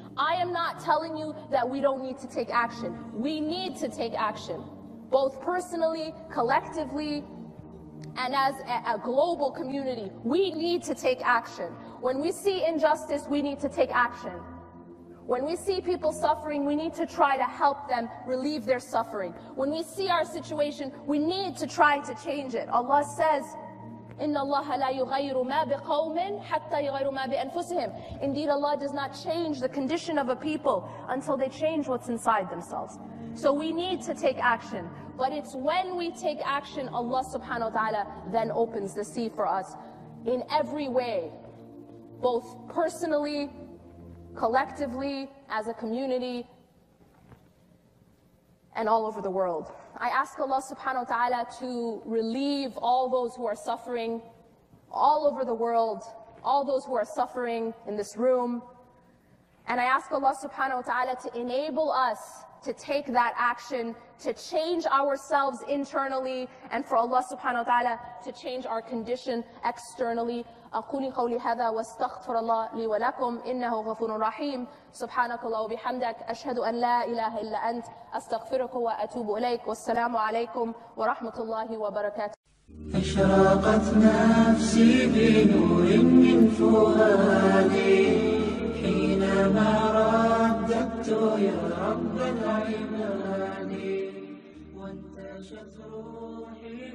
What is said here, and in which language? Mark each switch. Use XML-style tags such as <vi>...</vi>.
<en>I am not telling you that we don't need to take action. We need to take action, both personally, collectively, and as a global community. We need to take action. When we see injustice, we need to take action. When we see people suffering, we need to try to help them relieve their suffering. When we see our situation, we need to try to change it. Allah says,</en> <ar>إِنَّ اللَّهَ لَا يُغَيْرُ مَا بِقَوْمٍ حَتَّى يُغَيْرُ مَا بِأَنفُسِهِمْ.</ar> <en>Indeed, Allah does not change the condition of a people until they change what's inside themselves. So we need to take action. But it's when we take action, Allah subhanahu wa ta'ala then opens the sea for us in every way, both personally, collectively, as a community, and all over the world. I ask Allah subhanahu wa ta'ala to relieve all those who are suffering all over the world, all those who are suffering in this room. And I ask Allah subhanahu wa ta'ala to enable us to take that action, to change ourselves internally, and for Allah subhanahu wa ta'ala to change our condition externally.</en> <ar>أقولي قولي هذا واستغفر الله لي ولكم إنه غفور رحيم سبحانك الله وبحمدك أشهد أن لا إله إلا أنت أستغفرك وأتوب إليك والسلام عليكم ورحمة الله وبركاته. أشرقت نفسي بنور من فؤادي حينما رددت يا رب العباد وانتشت روحي.</ar>